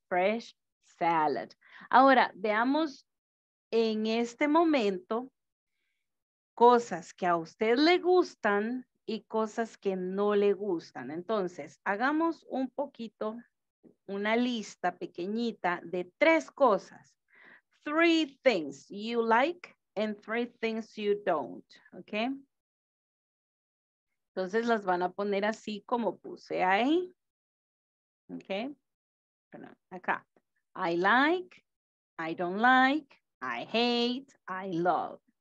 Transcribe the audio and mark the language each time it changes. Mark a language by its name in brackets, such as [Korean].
[English] Fresh salad. [Spanish] Ahora, veamos en este momento cosas que a usted le gustan y cosas que no le gustan. Entonces, hagamos un poquito, una lista pequeñita de tres cosas. [English] Three things you like and three things you don't. ¿Ok? [Spanish] Entonces, las van a poner así como puse ahí. ¿Ok? Bueno, acá. [English] I like, I don't like, I hate, I love.